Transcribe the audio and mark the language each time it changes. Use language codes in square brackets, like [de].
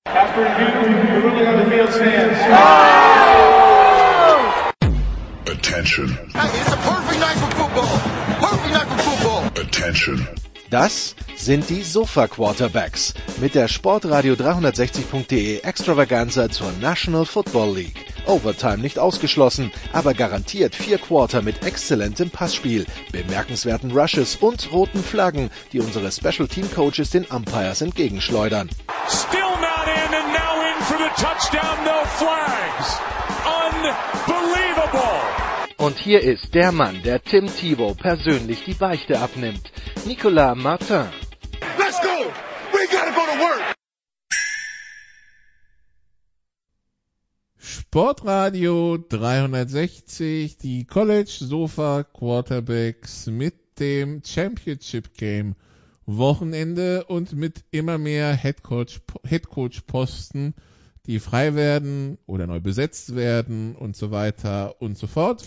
[en] After you moving on the field stands. Attention. Hey, it's a perfect night for football. Perfect night for football. Attention. [de] Das sind die Sofa-Quarterbacks mit der Sportradio360.de Extravaganza zur National Football League. Overtime nicht ausgeschlossen, aber garantiert vier Quarter mit exzellentem Passspiel, bemerkenswerten Rushes und roten Flaggen, die unsere Special Team Coaches den Umpires entgegenschleudern. [en] Still not in and now in for the touchdown, no flags. Unbelievable. [de] Und hier ist der Mann, der Tim Tebow persönlich die Beichte abnimmt. Nicolas Martin. [en] Let's go! We gotta go to work! [de] Sportradio 360, die College Sofa Quarterbacks mit dem Championship Game Wochenende und mit immer mehr Headcoach Posten, die frei werden oder neu besetzt werden und so weiter und so fort.